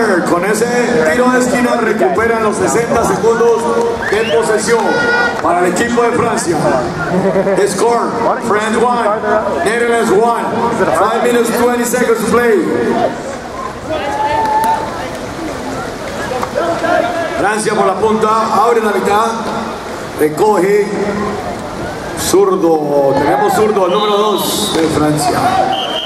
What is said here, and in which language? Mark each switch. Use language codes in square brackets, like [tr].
[es] con ese tiro de esquina recuperan los 60 segundos de posesión para el equipo de Francia. [en] Score, France 1, Netherlands 1, 5 minutes 20 seconds to play. [es] Francia por la punta, abre la mitad, recoge, zurdo, tenemos zurdo, el número 2 de Francia.